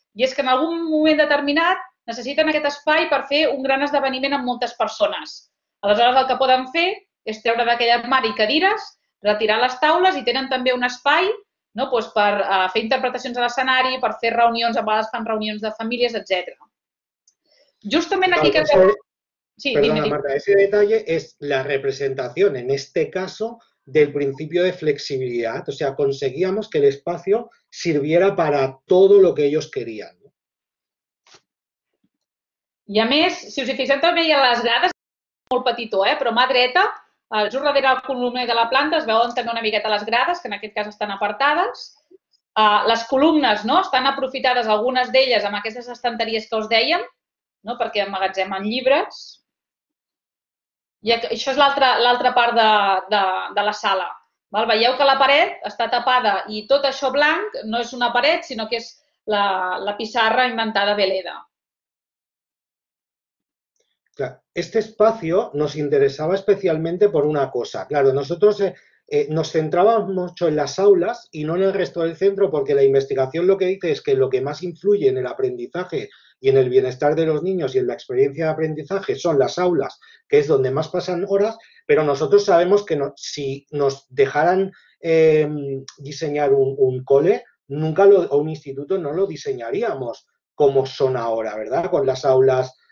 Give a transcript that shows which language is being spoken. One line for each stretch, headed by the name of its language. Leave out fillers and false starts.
Catalan: I és que en algun moment determinat necessiten aquest espai per fer un gran esdeveniment amb moltes persones. Aleshores, el que poden fer és treure d'aquell armari cadires, retirar les taules i tenen també un espai, no?, pues per fer interpretacions a l'escenari, per fer reunions, a vegades fan reunions de famílies, etc. Justament aquí...
Spanish: Claro, que... ese... Sí, perdona, dime. Marta, ese detalle es la representación, en este caso, del principio de flexibilidad. O sea, conseguíamos que el espacio sirviera para todo lo que ellos querían.
Catalan: I a més, si us hi fixeu també hi ha les grades, molt petitó, eh? Però a mà dreta, just darrere el columner de la planta, es veuen també una miqueta les grades, que en aquest cas estan apartades. Les columnes, no?, estan aprofitades, algunes d'elles, amb aquestes estanteries que us dèiem, no?, perquè emmagatzemen llibres. I això és l'altra part de la sala. Val? Veieu que la paret està tapada i tot això blanc no és una paret, sinó que és la pissarra inventada Veleda.
Spanish: Este espacio nos interesaba especialmente por una cosa. Claro, nosotros nos centrábamos mucho en las aulas y no en el resto del centro, porque la investigación lo que dice es que lo que más influye en el aprendizaje y en el bienestar de los niños y en la experiencia de aprendizaje son las aulas, que es donde más pasan horas, pero nosotros sabemos que si nos dejaran diseñar un cole, nunca o un instituto, no lo diseñaríamos como son ahora, ¿verdad? Con las aulas...